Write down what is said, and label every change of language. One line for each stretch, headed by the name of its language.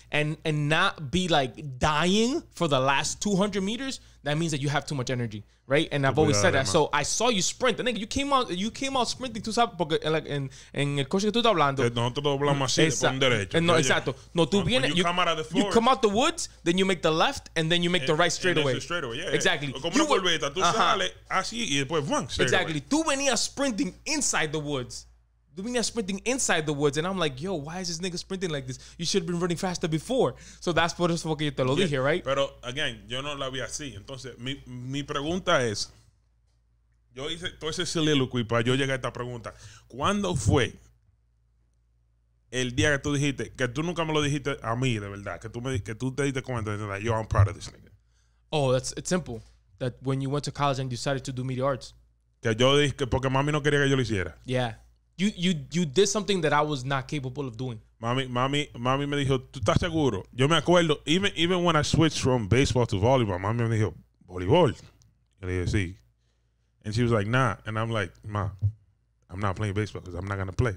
English: And not be, like, dying for the last 200 meters, that means that you have too much energy, right? And I've always said that. So I saw you sprint. And then you came out sprinting,
Spanish: tú sabes, porque en el coche que tú estás hablando. Nosotros doblamos así, por un derecho. No, exacto. No, tú vienes.
English: You come out of the forest. You come out the woods, then you make the left, and then you make the right straight away. Straight away, yeah. Exactly.
Spanish: Como una volveta, tú sales así, y después, bang, straight
English: exactly.
Spanish: Tú venías
English: sprinting inside the woods. We're not sprinting inside the woods. And I'm like, yo, why is this nigga sprinting like this? You should have been running faster before. So that's
Spanish: por eso que yo te lo dije,
English: right?
Spanish: Pero, again, yo no la vi así. Entonces, mi pregunta es, yo hice todo ese soliloquy para yo llegar a esta pregunta. ¿Cuándo fue el día que tú dijiste, que tú nunca me lo dijiste a mí, de verdad, que tú te diste cuenta de verdad, yo,
English: I'm proud of this nigga? Oh, it's simple. That when you went to college and decided to do media arts.
Spanish: Que yo dije, porque mami no quería que yo lo hiciera.
English: Yeah. You did something that I was not capable of doing.
Spanish: Mami me dijo, ¿tú estás seguro? Yo me acuerdo,
English: even when I switched from baseball to volleyball,
Spanish: mami me dijo, ¿voleibol? Y le dije, sí.
English: And she was like, nah. And I'm like, ma, I'm not playing baseball because I'm not going to play.